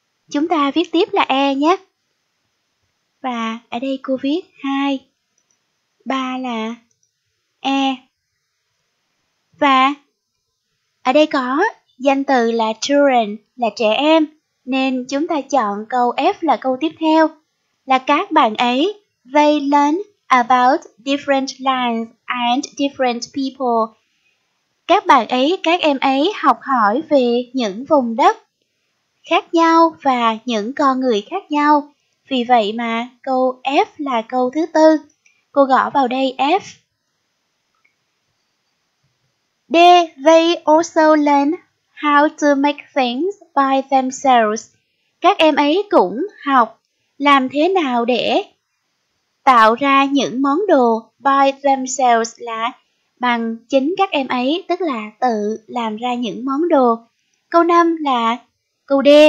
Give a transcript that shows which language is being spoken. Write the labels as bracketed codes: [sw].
[vi] Chúng ta viết tiếp là E nhé. Và ở đây cô viết 2, 3 là E. Và ở đây có danh từ là children là trẻ em, nên chúng ta chọn câu F là câu tiếp theo. Là các bạn ấy, [en] they learn about different lands and different people. [vi] Các bạn ấy, các em ấy học hỏi về những vùng đất khác nhau và những con người khác nhau. Vì vậy mà câu F là câu thứ tư. Cô gõ vào đây F. [en] D, they also learn how to make things by themselves. [vi] Các em ấy cũng học làm thế nào để tạo ra những món đồ [en] by themselves [vi] là bằng chính các em ấy, tức là tự làm ra những món đồ. Câu 5 là câu D.